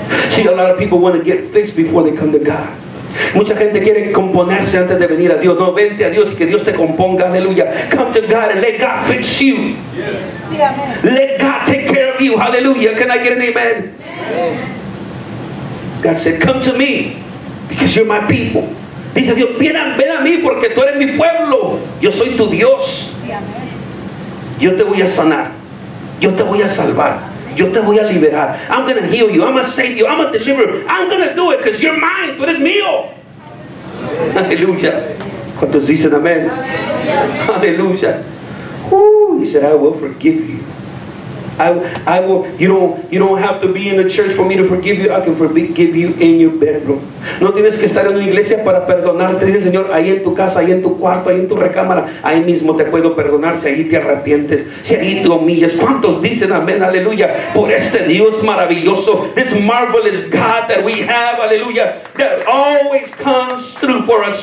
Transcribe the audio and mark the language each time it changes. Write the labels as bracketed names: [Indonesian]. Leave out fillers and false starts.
[English] See, a lot of people want to get fixed before they come to God. [Spanish] Mucha gente quiere componerse antes de venir a Dios. No, vente a Dios y que Dios te componga. Aleluya. [English] Come to God and let God fix you. [Spanish] Sí, amén. [English] Let God take care of you. Hallelujah. Can I get an amen? Amen. God said, come to me because you're my people. [Spanish] Dice Dios, ven a mí porque tú eres mi pueblo. Yo soy tu Dios. Yo te voy a sanar. Yo te voy a salvar. Yo te voy a liberar. [English] I'm going to heal you. I'm going to save you. I'm going to deliver. I'm going to do it because you're mine. [Spanish] Tú eres mío. Aleluya. ¿Cuántos dicen amén? Aleluya. [English] He said, I will forgive you. I will, you don't have to be in the church for me to forgive you. I can forgive you in your bedroom. [Spanish] No tienes que estar en una iglesia para perdonarte. Dice el Señor, ahí en tu casa, ahí en tu cuarto, ahí en tu recámara, ahí mismo te puedo perdonar si ahí te arrepientes, si ahí te humillas. ¿Cuántos dicen amén? Aleluya. Por este Dios maravilloso, [English] this marvelous God that we have, aleluya, that always comes through for us.